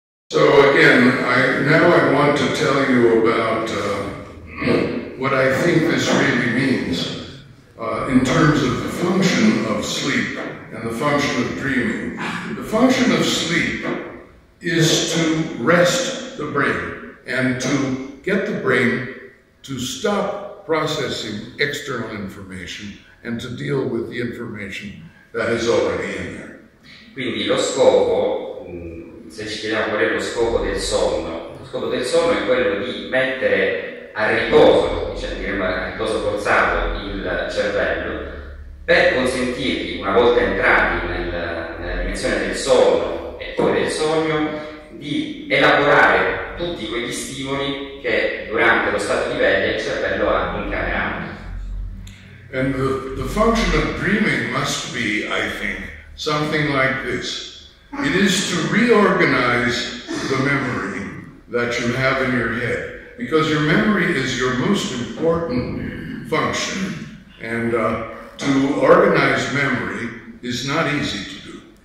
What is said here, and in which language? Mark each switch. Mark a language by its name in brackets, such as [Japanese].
[English] So again, now I want to tell you about what I think this really means in terms of the function of sleep and the function of dreaming. The function of sleep is to rest the brain and to get the brain to stop processing external information and to deal with the information that is already in there. [Italian] Quindi lo scopo, se ci chiediamo qual è lo scopo del sonno è quello di mettere a riposo, diciamo a riposo forzato, il cervello per consentirgli, una volta entrati nella dimensione del sonno e poi del sogno, di elaborare tutti quegli stimoli che durante lo stato di veglia il cervello ha incamerato. [English] And the function of dreaming must be, I think, something like this. It is to reorganize the memory that you have in your head. Because your memory is your most important function, and to organize memory is not easy to do.